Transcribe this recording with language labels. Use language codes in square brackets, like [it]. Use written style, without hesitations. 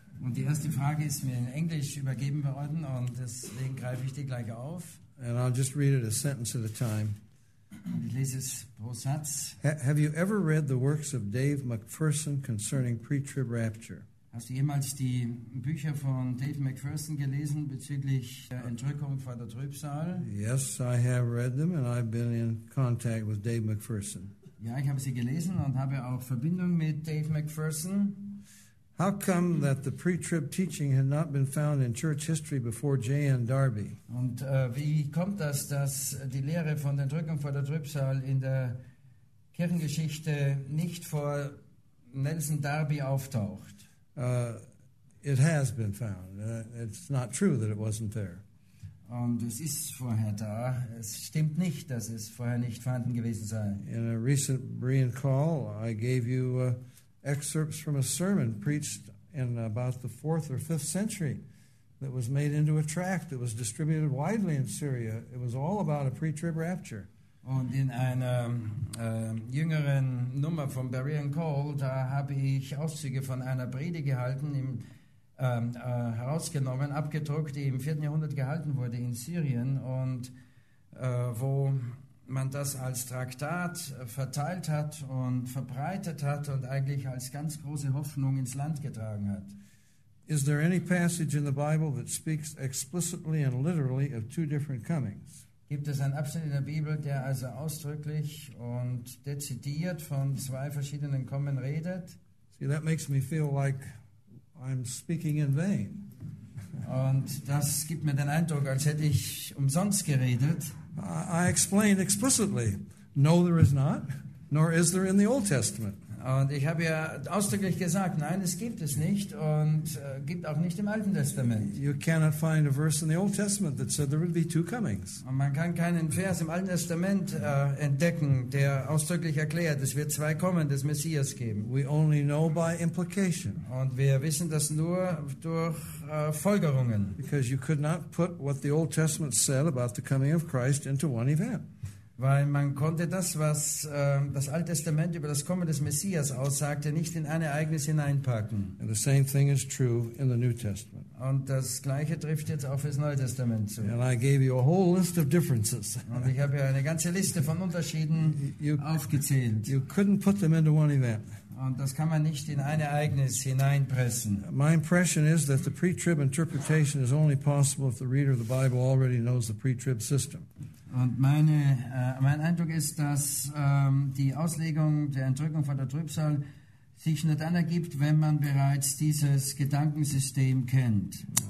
[de] Und die erste Frage ist mir in Englisch übergeben worden und deswegen greife ich die gleich auf. [en] And I'll just read it a sentence at a time. [de] Und ich lese es pro Satz. [en] Have you ever read the works of Dave McPherson concerning pre-trib rapture? [de] Hast du jemals die Bücher von Dave McPherson gelesen bezüglich der Entrückung vor der Trübsal? [en] Yes, I have read them and I've been in contact with Dave McPherson. [de] Ja, ich habe sie gelesen und habe auch Verbindung mit Dave McPherson. [en] How come that the pre-trib teaching had not been found in church history before J.N. Darby? [de] Und wie kommt das, dass die Lehre von der Entrückung vor der Trübsal in der Kirchengeschichte nicht vor Nelson Darby auftaucht? [en] It has been found. It's not true that it wasn't there. [de] Und es ist vorher da. Es stimmt nicht, dass es vorher nicht vorhanden gewesen sei. [en] In a recent Brian call, I gave you excerpts from a sermon preached in about the 4th or 5th century that was made into a tract that was distributed widely in Syria. It was all about a pre-trib rapture. [de] Und in einer jüngeren Nummer von Berean Cole, da habe ich Auszüge von einer Predigt gehalten, herausgenommen, abgedruckt, die im 4. Jahrhundert gehalten wurde in Syrien und wo man das als Traktat verteilt hat und verbreitet hat und eigentlich als ganz große Hoffnung ins Land getragen hat. [en] Is there any passage in the Bible that speaks explicitly and literally of two different comings? [de] Gibt es einen Abschnitt in der Bibel, der also ausdrücklich und dezidiert von zwei verschiedenen Kommen redet? [en] See, that makes me feel like I'm speaking in vain. [de] Und das gibt mir den Eindruck, als hätte ich umsonst geredet. [en] I explain explicitly. No, there is not, nor is there in the Old Testament. [de] Und ich habe ja ausdrücklich gesagt, nein, es gibt es nicht und gibt auch nicht im Alten Testament. [en] You cannot find a verse in the Old Testament that said there would be two comings. [de] Und man kann keinen Vers im Alten Testament entdecken, der ausdrücklich erklärt, es wird zwei Kommen des Messias geben. [en] We only know by implication. [de] Und wir wissen das nur durch Folgerungen. [en] Because you could not put what the Old Testament said about the coming of Christ into one event. [de] Weil man konnte das, was das Alte Testament über das Kommen des Messias aussagte, nicht in ein Ereignis hineinpacken. [en] And the same thing is true in the New Testament. [de] Und das Gleiche trifft jetzt auch fürs Neue Testament zu. [en] And I gave you a whole list of differences. [de] Und ich habe ja eine ganze Liste von Unterschieden aufgezählt. [en] You couldn't put them into one event. [de] Und das kann man nicht in ein Ereignis hineinpressen. [en] My impression is that the pre-trib interpretation is only possible if the reader of the Bible already knows the pre-trib system. [de] Und mein Eindruck ist, dass die Auslegung der Entrückung von der Trübsal sich nur dann ergibt, wenn man bereits dieses Gedankensystem kennt.